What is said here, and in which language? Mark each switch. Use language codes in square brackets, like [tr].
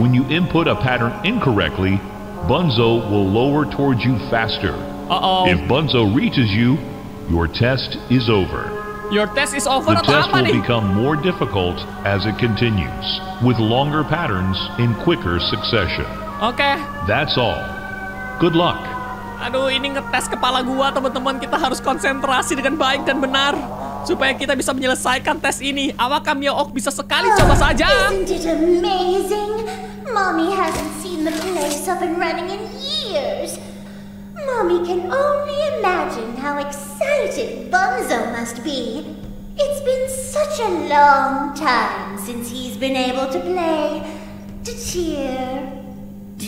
[en] When you input a pattern incorrectly, Bunzo will lower towards you faster. Uh-oh. If Bunzo reaches you, your test is over. Your test is over. The test will become more difficult as it continues, with longer patterns in quicker succession. Okay. That's all. Good luck. [id] Aduh, ini ngetes kepala gua, teman-teman. Kita harus konsentrasi dengan baik dan benar supaya kita bisa menyelesaikan tes ini. Awakam Yook bisa sekali coba saja. [en] Isn't it amazing? Mommy hasn't seen the place up and running in years. Mommy can only imagine how excited Bunzo must be. It's been such a long time since he's been able to play, to cheer, to